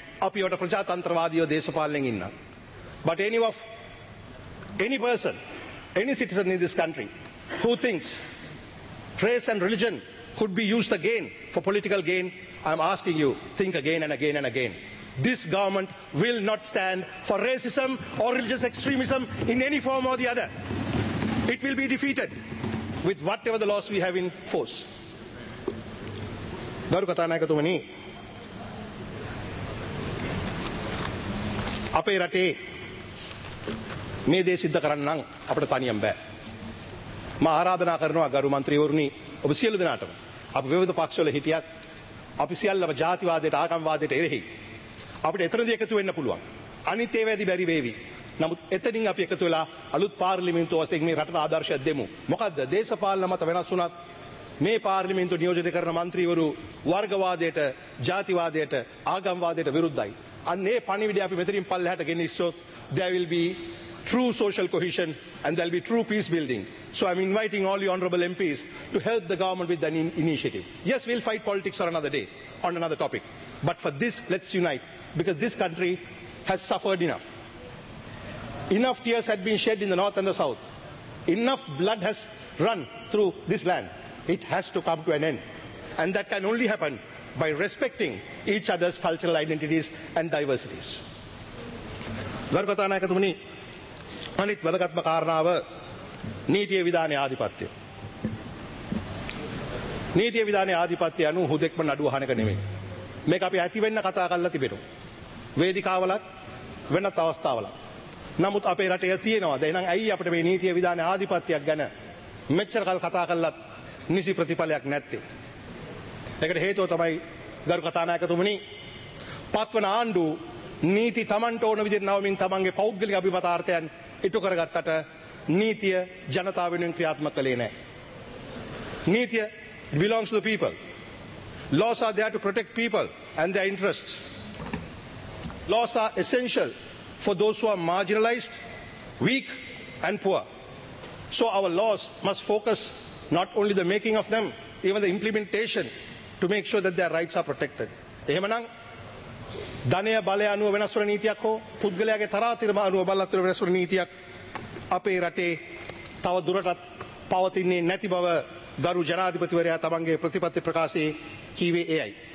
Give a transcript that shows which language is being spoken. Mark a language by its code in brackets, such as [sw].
[si] අපි වට ප්‍රජාතන්ත්‍රවාදීව දේශපාලනයෙන් ඉන්න. [en] But any of any person, any citizen in this country who thinks race and religion could be used again for political gain, I'm asking you, think again and again and again. This government will not stand for racism or religious extremism in any form or the other. It will be defeated with whatever the laws we have in force. [si] Garu kathanayakathumani, ape rate මේ දේ සිද්ධ කරන්න නම් අපිට තනියම බෑ. මම ආරාධනා කරනවා ගරු මන්ත්‍රීවරුනි, ඔබ සියලු දෙනාටම, අපි විවිධ පක්ෂවල හිටියත් අපි සියල්ලම ජාතිවාදයට, ආගම්වාදයට එරෙහි. අපිට එතරම්දි එකතු වෙන්න පුළුවන්. අනිත් ඒවාදි බැරි වේවි. නමුත් එතනින් අපි එකතු වෙලා අලුත් පාර්ලිමේන්තු වශයෙන් මේ රටට ආදර්ශයක් දෙමු. මොකද්ද? දේශපාලන මත වෙනස් වුණත් මේ පාර්ලිමේන්තු නියෝජනය කරන මන්ත්‍රීවරු වර්ගවාදයට, ජාතිවාදයට, ආගම්වාදයට විරුද්ධයි. අන්න ඒ පණිවිඩය අපි මෙතනින් පල්ලෙහාට ගෙන ඉස්සොත් [en] there will be true social cohesion and there'll be true peace building. So I'm inviting all the honorable MPs to help the government with that initiative. Yes, we'll fight politics on another day, on another topic. But for this, let's unite, because this country has suffered enough. Enough tears had been shed in the north and the south. Enough blood has run through this land. It has to come to an end. And that can only happen by respecting each other's cultural identities and diversities. [si] ගරුකතානායකතුමනි අනිත් වැදගත්ම කාරණාව නීතිය විධානයේ ආධිපත්‍යය. නීතිය විධානයේ ආධිපත්‍යය අනුව හුදෙක්ම නඩු අහන එක නෙමෙයි. මේක අපි ඇති වෙන්න කතා කරලා තිබෙනවා. වේදිකාවලත් වෙනත් අවස්ථාවලත්. නමුත් අපේ රටේ තියෙනවාද? එහෙනම් ඇයි අපිට මේ නීතිය විධානයේ ආධිපත්‍යයක් ගැන මෙච්චර කල් කතා කරලත් නිසි ප්‍රතිඵලයක් නැත්තේ? ඒකට හේතුව තමයි ගරුකතානායකතුමනි පත්වන ආණ්ඩුව නීති තමන්ට ඕන විදිහට නවමින් තමන්ගේ පෞද්ගලික අභිමතාර්ථයන් ඉටු කරගත්තට නීතිය ජනතාව වෙනුවෙන් ක්‍රියාත්මක කළේ නැහැ. [en] නීතිය belongs to the people. Laws are there to protect people and their interests. Laws are essential for those who are marginalized, weak and poor. So our laws must focus not only the making of them, even the implementation to make sure that their rights are protected. [si] එහෙමනම් ධනය බලය අනුව වෙනස් වන නීතියක් හෝ පුද්ගලයාගේ තරාතිරම අනුව බලතර වෙනස් වන නීතියක් අපේ රටේ තව දුරටත් පවතින්නේ නැති බව ගරු ජනාධිපතිවරයා තමන්ගේ ප්‍රතිපත්ති ප්‍රකාශයේ කීවේ එයයි.